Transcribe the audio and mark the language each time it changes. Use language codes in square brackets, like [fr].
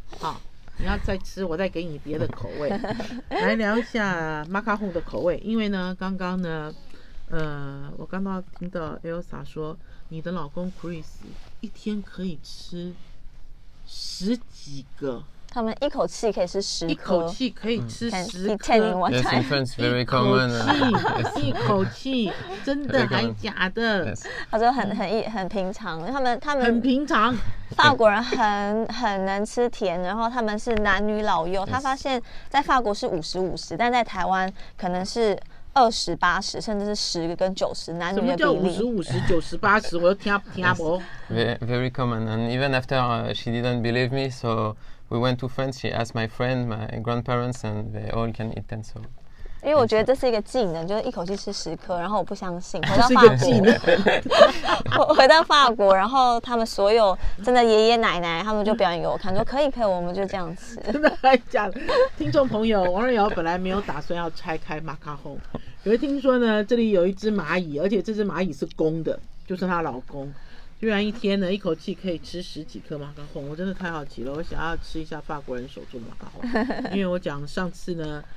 [zh] 好，你要再吃，我再给你别的口味。来聊一下 Macahon 的口味，因为呢，刚刚呢。我刚刚听到 Elsa 说你的老公 Chris 一天可以吃十几个，他们一口气可以吃十颗，一口气可以吃十颗、 [en] yes, in France, very common. [zh] 一口气真的还假的？他说很平常，他们很平常，法国人很能吃甜，然后他们是男女老幼、yes. 他发现在法国是50-50，但在台湾可能是20-80，甚至是10-90，男女的比例。什么叫50-50, 90-80？ 我都听不懂。 [en] Very common, and even after she didn't believe me, so we went to France. She asked my friend, my grandparents, and they all can eat them. So. [zh] 因为我觉得这是一个技能，就是一口气吃十颗，然后我不相信。这是一个技能。回到法国，然后他们所有真的爷爷奶奶，他们就表演给我看，说可以，我们就这样吃。真的还假的？听众朋友，王瑞瑶本来没有打算要拆开 Macahon， 可是听说呢，这里有一只蚂蚁，而且这只蚂蚁是公的，就是她老公，居然一天呢一口气可以吃十几颗 Macahon， 我真的太好奇了，我想要吃一下法国人手做的 Macahon， 因为我讲上次呢。